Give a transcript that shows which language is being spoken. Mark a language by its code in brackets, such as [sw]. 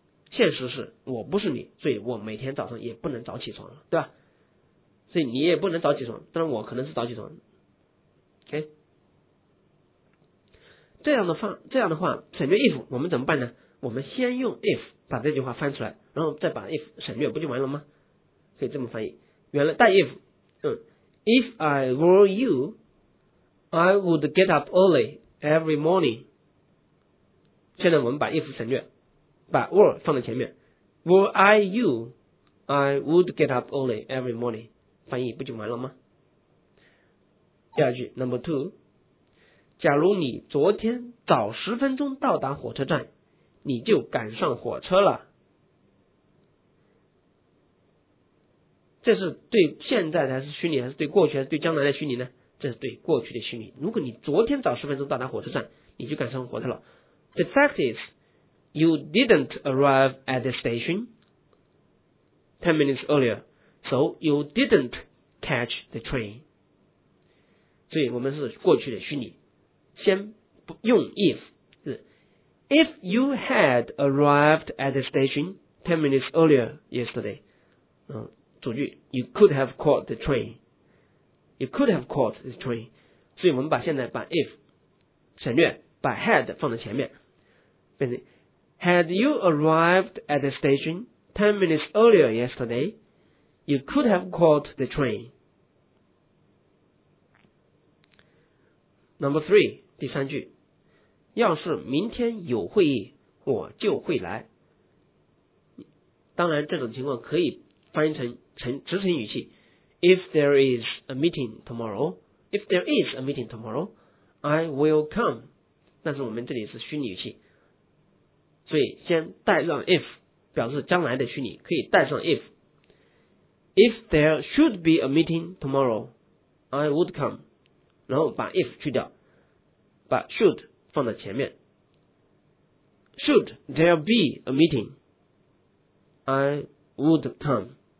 [zh] 现实是我不是你，所以我每天早上也不能早起床了，对吧？所以你也不能早起床，但是我可能是早起床。OK, 这样的话省略 if 我们怎么办呢？我们先用 if 把这句话翻出来，然后再把 if 省略，不就完了吗？可以这么翻译，原来带 [en] if, If I were you, I would get up early every morning. [zh] 现在我们把 if 省略，把 were 放在前面。 [en] Were I you, I would get up early every morning. [zh] 翻译不就完了吗？第二句 [en] number two, [zh] 假如你昨天早十分钟到达火车站，你就赶上火车了。这是对现在的还是虚拟，还是对过去，还是对将来的虚拟呢？这是对过去的虚拟。如果你昨天早十分钟到达火车站，你就赶上火车了。 [en] The fact is, you didn't arrive at the station 10 minutes earlierSo you didn't catch the train. [zh] 所以我们是过去的虚拟，先不用 if. [en] If you had arrived at the station 10 minutes earlier yesterday, 主句 you could have caught the train. You could have caught the train. [zh] 所以我们把现在把 if 省略，把 had 放在前面，变成 [en] Had you arrived at the station 10 minutes earlier yesterday,You could have caught the train. Number three, [zh] 第三句。要是明天有会议，我就会来。当然这种情况可以翻译成直陈语气。 [en] If there is a meeting tomorrow, if there is a meeting tomorrow, I will come. [zh] 但是我们这里是虚拟语气，所以先带上 if 表示将来的虚拟，可以带上 if。 [en] If there should be a meeting tomorrow, I would come. [zh] 然后把 if 去掉，把 should 放在前面。 [en] Should there be a meeting, I would come.